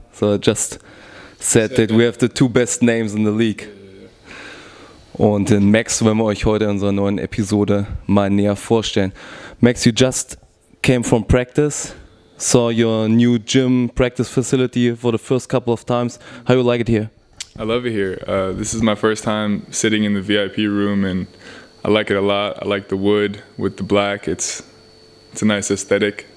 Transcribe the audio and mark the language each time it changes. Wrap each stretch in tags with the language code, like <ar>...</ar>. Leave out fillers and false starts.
<en>So I just said that we have the two best names in the league.</en> <de>Und den Max wollen wir euch heute in unserer neuen Episode mal näher vorstellen.</de> <en>Max, you just came from practice, saw your new gym practice facility for the first couple of times. How you like it here? I love it here. This is my first time sitting in the VIP room and I like it a lot. I like the wood with the black. It's a nice aesthetic.</en>